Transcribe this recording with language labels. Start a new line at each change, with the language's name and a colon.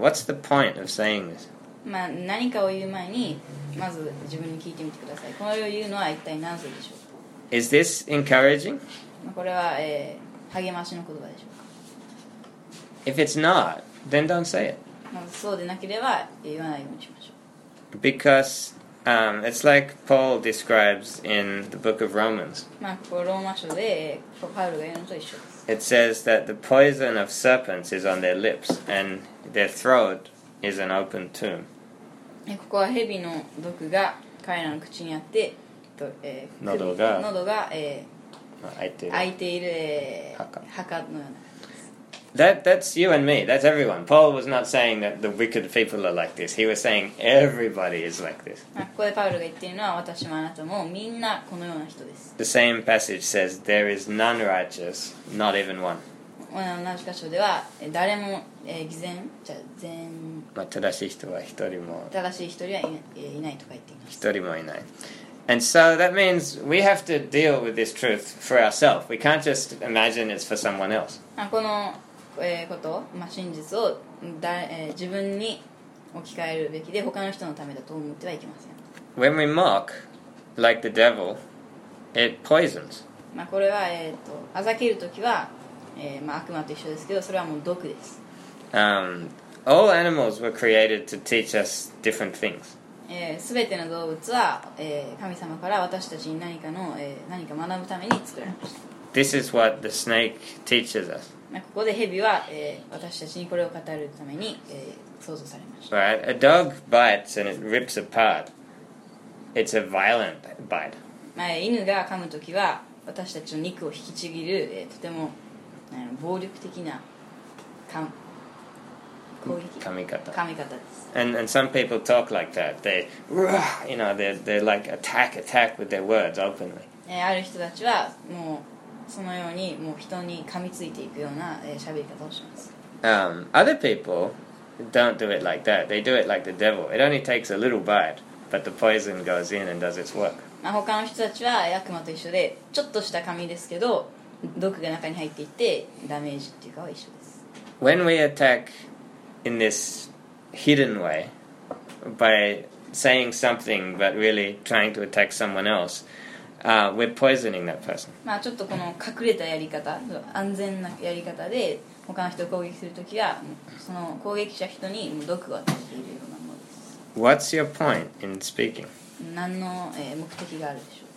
English: What's the point of saying this?
Japanese: 何かを言う前にまず自分に聞いてみてください。これを言うのは一体何故でしょうか?
English: Is this encouraging?
Japanese: これは、励ましの言葉でしょうか?
English: If it's not, then don't say it.
Japanese: そうでなければ言わないようにしましょう。
English: Because, it's like Paul describes in the book of Romans.
Japanese: ここローマ書で、パウロが言うのと一緒です。
English: It says that the poison of serpents is on their lips and their throat. Is an open tomb.
Japanese: ここは蛇の毒が彼らの口にあって、喉が開いている墓のような。
English: That's you and me. That's everyone. Paul was not saying that the wicked people are like this. He was saying everybody is like this.
Japanese: ここでパウロが言っているのは私もあなたもみんなこのような人です。
English: The same passage says there is none righteous, not even one.
Japanese: 同じ箇所では誰も、偽善じゃ善、正しい人は一人も正しい一人はいないと書いています一人もいない
English: and so that means we have to deal with this truth for ourselves we can't just imagine it's for someone else
Japanese: この、こと、真実をだ、自分に置き換えるべきで他の人のためだと思ってはいけません
English: when we mock like the devil it poisons
Japanese: これは、あざけるときは悪魔と一緒ですけど、それはもう毒です。
English: All animals were created to teach us different things.
Japanese: すべての動物は、神様から私たちに何かの、何か学ぶために作られました。
English: This is what the snake teaches us.
Japanese: ここで蛇は、私たちにこれを語るために、創造されました。
English: Right, a dog bites and it rips apart. It's a violent bite.
Japanese: 犬が噛むときは、私たちの肉を引きちぎる、とても暴力的な噛み方です。
English: And some people talk like that. They, you know, they like attack with their words openly.
Japanese: ある人たちはもうそのようにもう人に噛みついていくような喋り方をします。
English: Other people don't do it like that. They do it like the devil. It only takes a little bite, but the poison goes in and does its work.
Japanese: 他の人たちは悪魔と一緒でちょっとした噛みですけど。毒が中に入っていてダメージっていうかは一緒です。
English: When we attack in this hidden way by saying something but really trying to attack someone else, we're poisoning that person.
Japanese: ちょっとこの隠れたやり方、安全なやり方で他の人を攻撃するときは、その攻撃者人に毒を与えているようなものです。
English: What's your point in speaking?
Japanese: 何の目的があるでしょう。